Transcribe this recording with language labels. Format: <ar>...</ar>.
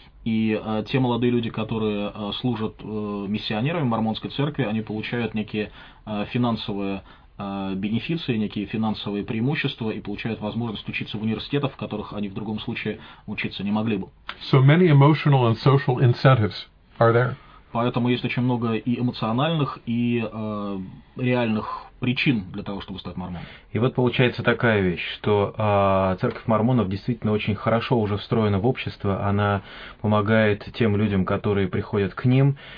<ru>И те молодые люди, которые служат миссионерами мормонской церкви, они получают некие финансовые бенефиции, некие финансовые преимущества и получают возможность учиться в университетах, в которых они в другом случае учиться не могли бы.</ru> <en>So many emotional and social incentives are there.</en> <ru>Поэтому есть очень много и эмоциональных, и реальных причин для того, чтобы стать мормоном. И вот получается такая вещь, что церковь мормонов действительно очень хорошо уже встроена в общество, она помогает тем людям, которые приходят к ним.</ru>